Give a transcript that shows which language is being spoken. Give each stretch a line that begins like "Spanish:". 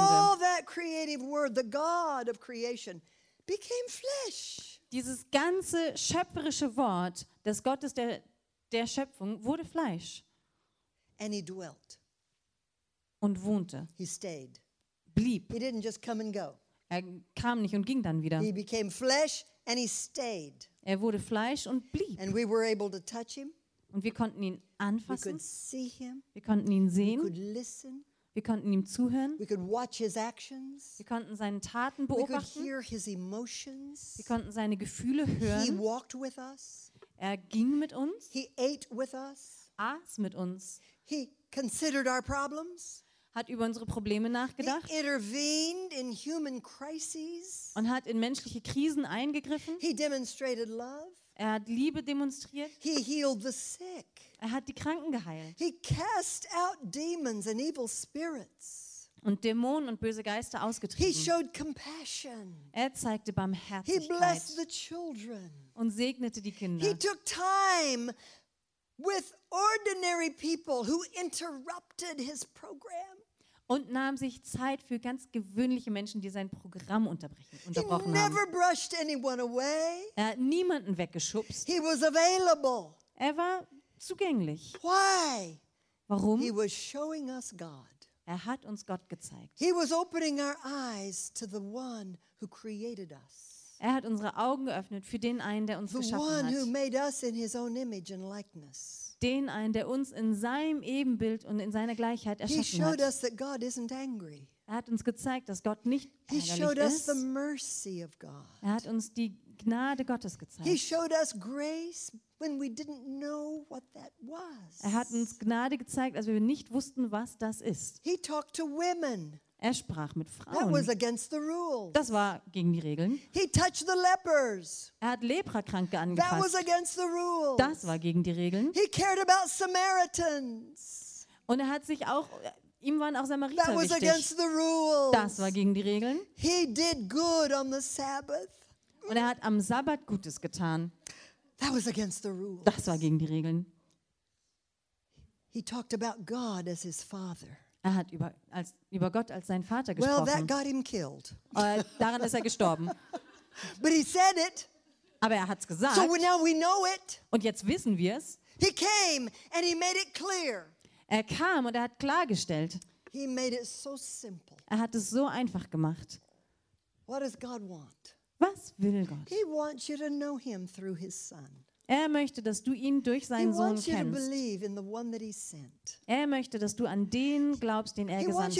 English: All that creative word, the God of creation, became flesh.
German: Dieses ganze schöpferische Wort des Gottes der Schöpfung wurde Fleisch.
English: And he dwelt.
German: Und wohnte.
English: He stayed.
German: Blieb.
English: He didn't just come and go.
German: Kam nicht und ging dann wieder.
English: He became flesh and he stayed.
German: Wurde Fleisch und blieb.
English: And we were able to touch him.
German: Und wir konnten ihn anfassen.
English: We could see him.
German: Wir konnten ihn sehen.
English: We could listen.
German: Wir konnten ihm zuhören.
English: We could watch his actions.
German: Wir konnten seine Taten beobachten.
English: We could hear his emotions.
German: Wir konnten seine Gefühle hören.
English: He walked with us.
German: Ging mit uns.
English: He ate with us.
German: Aß mit uns.
English: He considered our problems.
German: Hat über unsere Probleme nachgedacht.
English: He intervened in human crises.
German: Und hat in menschliche Krisen eingegriffen.
English: He demonstrated love.
German: Hat Liebe demonstriert.
English: He healed the sick.
German: Hat die Kranken geheilt.
English: He cast out demons and evil spirits.
German: Und Dämonen und böse Geister ausgetrieben.
English: He showed compassion.
German: Zeigte Barmherzigkeit.
English: He blessed the children.
German: Und segnete die Kinder.
English: He took time with ordinary people who interrupted his program.
German: Und nahm sich Zeit für ganz gewöhnliche Menschen, die sein Programm unterbrochen haben.
English: He never brushed anyone away.
German: Niemanden weggeschubst.
English: He was available.
German: War zugänglich.
English: Why?
German: Warum?
English: He was showing us God.
German: Hat uns Gott gezeigt.
English: He was opening our eyes to the one who created us.
German: Hat unsere Augen geöffnet für den einen, der uns
English: the
German: geschaffen
English: one
German: hat.
English: Who made us in his own image and likeness.
German: Den einen, der uns in seinem Ebenbild und in seiner Gleichheit erschaffen
English: he showed Us that God isn't angry.
German: Hat uns gezeigt, dass Gott nicht
English: he
German: ärgerlich
English: showed
German: ist.
English: Us the mercy of God.
German: Hat uns die Gnade Gottes gezeigt.
English: He showed us grace when we didn't know what that was.
German: Hat uns Gnade gezeigt, als wir nicht wussten, was das ist.
English: He talked to women.
German: Sprach mit Frauen.
English: That was against the rules.
German: Das war gegen die Regeln.
English: He touched the lepers.
German: Hat Leprakranke angefasst.
English: That was against the rules.
German: Das war gegen die Regeln.
English: He cared about Samaritans.
German: Und hat sich auch ihm waren auch Samariter wichtig.
English: That was against the rules.
German: Das war gegen die Regeln.
English: He did good on the Sabbath.
German: Und hat am Sabbat Gutes getan.
English: That was against the rules.
German: Das war gegen die Regeln.
English: He talked about God as his father.
German: Hat über Gott als seinen Vater gesprochen.
English: Well, that got him killed.
German: Daran ist gestorben.
English: But he said it.
German: Aber hat's gesagt.
English: So now we know it.
German: Und jetzt wissen wir's.
English: He came and he made it clear.
German: Kam und hat klargestellt.
English: He made it so simple.
German: Hat es so einfach gemacht.
English: What does God want?
German: Was will Gott?
English: He wants you to know him through his son.
German: Er möchte, dass du ihn durch seinen Sohn kennst. Er möchte, dass du an den glaubst, den er gesandt